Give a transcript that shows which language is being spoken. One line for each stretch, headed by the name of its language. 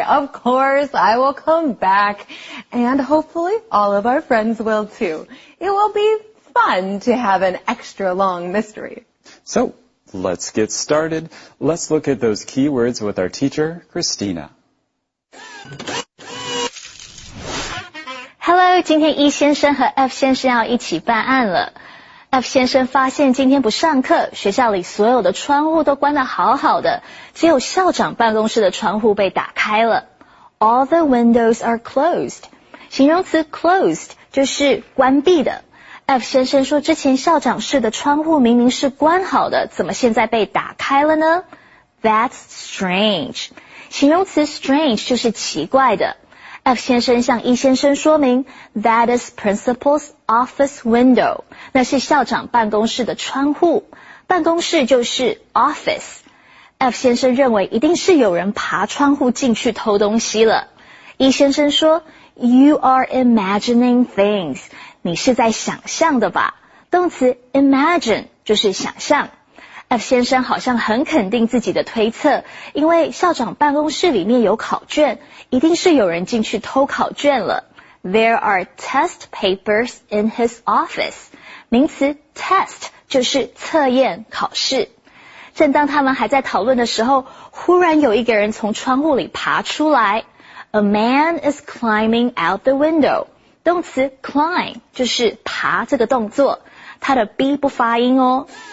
English: Of course, I will come back. And hopefully, all of our friends will too. It will be fun to have an extra long mystery. So, let's get started. Let's look at those keywords with our teacher, Christina. Hello,
Chinese: 今天 E 先生和 F 先生要一起办案了。 F 先生发现今天不上课，学校里所有的窗户都关得好好的，只有校长办公室的窗户被打开了。
English: All the windows are closed.
Chinese: 形容词 closed 就是关闭的。F 先生说之前校长室的窗户明明是关好的，怎么现在被打开了呢？
English: That's strange.
Chinese: 形容词 strange 就是奇怪的。 F 先生向 E 先生说明
English: That is principal's office window.
Chinese: 那是校长办公室的窗户。办公室就是 office. F 先生认为一定是有人爬窗户进去偷东西了。 E 先生说
English: You are imagining things.
Chinese: 你是在想象的吧？动词 imagine 就是想象。F 先生好像很肯定自己的推测，因为校长办公室里面有考卷，一定是有人进去偷考卷了。
English: There are test papers in his office.
Chinese: 名词 test 就是测验、考试。正当他们还在讨论的时候，忽然有一个人从窗户里爬出来。
English: A man is climbing out the window.
Chinese: 动词 climb 就是爬这个动作，它的 B 不发音哦。